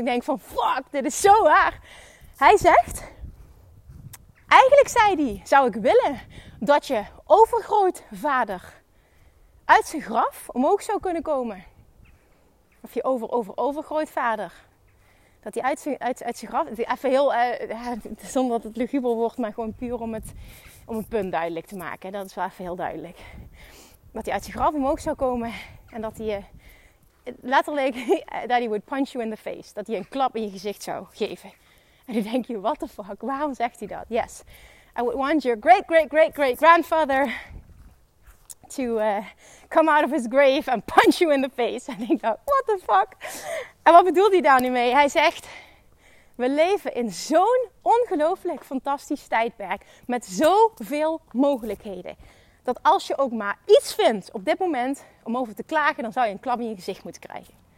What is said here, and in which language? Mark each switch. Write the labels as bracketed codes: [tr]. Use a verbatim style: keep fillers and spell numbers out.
[nl] Ik denk van, fuck, dit is zo waar. Hij zegt, eigenlijk zei hij, zou ik willen dat je overgrootvader uit zijn graf omhoog zou kunnen komen. Of je over, over, overgrootvader. Dat hij uit zijn, uit, uit zijn graf, even heel, eh, zonder dat het luguber wordt, maar gewoon puur om het, om het punt duidelijk te maken. Dat is wel even heel duidelijk. Dat hij uit zijn graf omhoog zou komen en dat hij... [en] Eh, letterlijk, that he would punch you in the face. [nl] Dat hij een klap in je gezicht zou geven. En dan denk je, [en] what the fuck, [nl] waarom zegt hij dat? [en] Yes, I would want your great, great, great, great grandfather to uh, come out of his grave and punch you in the face. [nl] En ik dacht, [en] what the fuck? [nl] En wat bedoelt hij daar nu mee? Hij zegt, we leven in zo'n ongelooflijk fantastisch tijdperk met zoveel mogelijkheden. Dat als je ook maar iets vindt op dit moment om over te klagen, dan zou je een klap in je gezicht moeten krijgen.